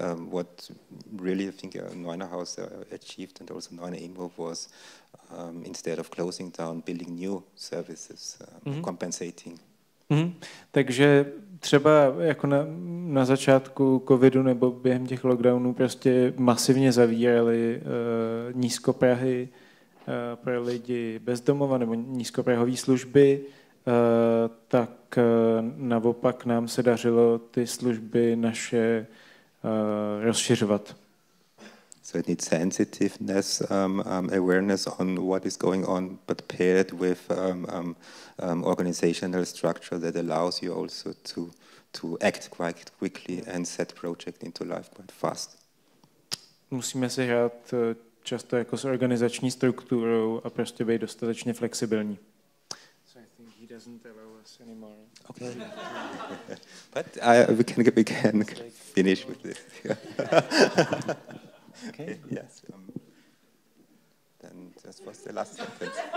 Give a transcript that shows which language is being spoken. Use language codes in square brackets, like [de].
[en] What really I think Neuner House achieved and also Neuner Imo was instead of closing down, building new services, compensating. Mm-hmm. [cs] Takže třeba jako na začátku covidu nebo během těch lockdownů prostě masivně zavírali nízkoprahy pro lidi bez domova nebo nízkoprahové služby, tak naopak nám se dařilo ty služby naše rozšiřovat. [en] So it needs sensitiveness, awareness on what is going on, but paired with organizational structure that allows you also to act quite quickly and set project into life quite fast. [cs] Musíme se hrát často jako s organizační strukturou a prostě být dostatečně flexibilní. [en] So I think he doesn't allow us anymore. Okay. But we can finish with this. Okay. Yes. Then this was the last sentence.